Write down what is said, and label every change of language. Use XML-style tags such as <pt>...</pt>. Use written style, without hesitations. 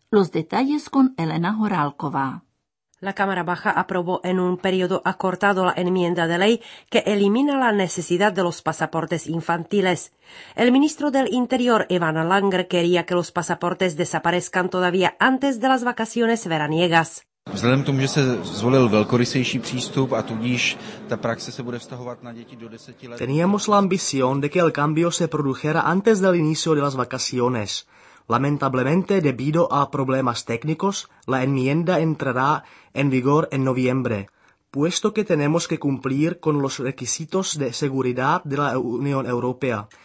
<es>Los detalles con Elena Horálková. La Cámara Baja aprobó en un periodo acortado la enmienda de ley que elimina la necesidad de los pasaportes infantiles. El ministro del Interior, Ivan Langer, quería que los pasaportes desaparezcan todavía antes de las vacaciones veraniegas.</es> <cs>Vzhledem k tomu, že se zvolil velkorysejší přístup a tudíž ta praxe se bude vztahovat na děti do 10 let.</cs> <es>Teníamos la ambición de que el cambio se produjera antes del inicio de las vacaciones. Lamentablemente, debido a problemas técnicos, la enmienda entrará en vigor en noviembre. puesto que tenemos que cumplir con los requisitos de seguridad de la Unión Europea.</es>